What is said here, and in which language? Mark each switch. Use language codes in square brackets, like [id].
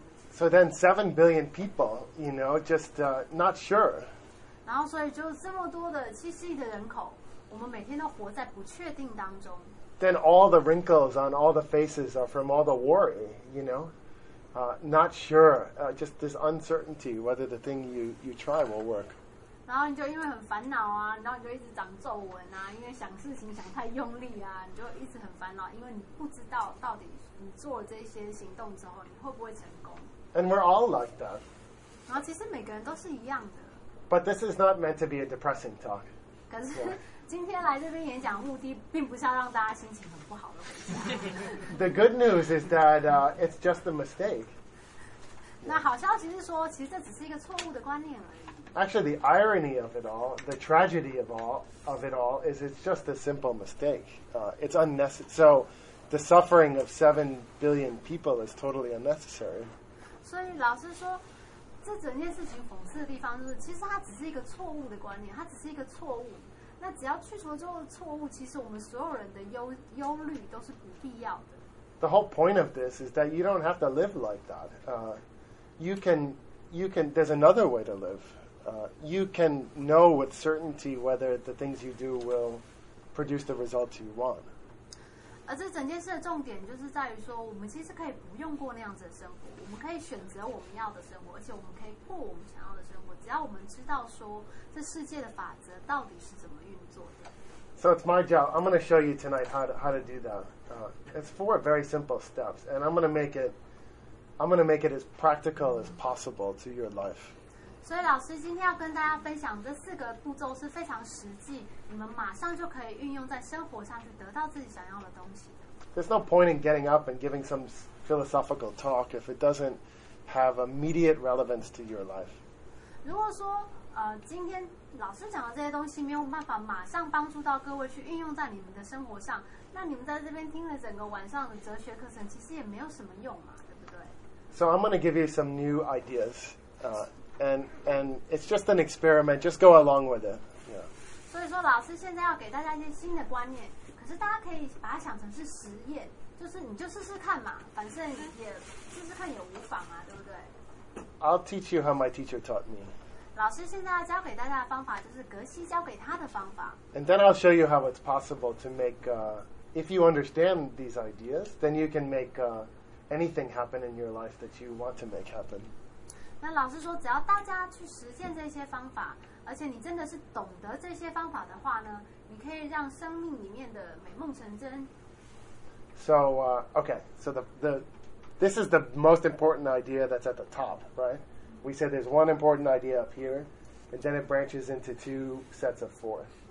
[en] So then 7 billion people, you know, just not sure. [zh] 然后所以就这么多的七十亿的人口，我们每天都活在不确定当中。 [en] Then all the wrinkles on all the faces are from all the worry, you know. Not sure, just this uncertainty whether the thing you try will work. [zh] 然后你就因为很烦恼啊，然后你就一直长皱纹啊，因为想事情想太用力啊，你就一直很烦恼，因为你不知道到底你做了这些行动之后你会不会成功。 [en] And we're all like that. [zh] 然后其实每个人都是一样的。 [en] But this is not meant to be a depressing talk. [zh] 可是、yeah. 今天来这边演讲的目的并不是要让大家心情很不好的。 [en] The good news is that it's just a mistake. [zh] 那好消息是说，其实这只是一个错误的观念而已。 [en] Actually, the irony of it all, the tragedy of it all, is it's just a simple mistake. It's unnecessary. So, the suffering of 7 billion people is totally unnecessary. [zh] 所以老师说，这整件事情讽刺的地方就是，其实它只是一个错误的观念，它只是一个错误。那只要去除之后的错误，其实我们所有人的忧虑都是不必要的。 [en] The whole point of this is that you don't have to live like that. You can. There's another way to live. You can know with certainty whether the things you do will produce the results you want. [zh] 而这整件事的重点就是在于说，我们其实可以不用过那样子的生活，我们可以选择我们要的生活，而且我们可以过我们想要的生活，只要我们知道说这世界的法则到底是怎么运作的。 [en] So it's my job. I'm going to show you tonight how to do that. It's 4 very simple steps, and I'm going to make it as practical as possible to your life. [zh] 所以老师今天要跟大家分享这四个步骤是非常实际，你们马上就可以运用在生活上去得到自己想要的东西。 [en] There's no point in getting up and giving some philosophical talk if it doesn't have immediate relevance to your life. [zh] 如果说今天老师讲的这些东西没有办法马上帮助到各位去运用在你们的生活上，那你们在这边听了整个晚上的哲学课程其实也没有什么用嘛。 [en] So I'm going to give you some new ideas. and it's just an experiment. Just go along with it. Yeah. [zh] 所以说，老师现在要给大家一些新的观念，可是大家可以把它想成是实验，就是你就试试看嘛，反正也试试看也无妨啊，对不对 [en] ？I'll teach you how my teacher taught me. [zh] 老师现在要教给大家的方法就是格西教给他的方法。 [en] And then I'll show you how it's possible to make. If you understand these ideas, then you can make anything happen in your life that you want to make happen. [zh] 那老师说，只要大家去实践这些方法，而且你真的是懂得这些方法的话呢，你可以让生命里面的美梦成真。 [en] So, okay, so this is the most important idea that's at the top, right? We said there's one important idea up here, and then it branches into two sets of four.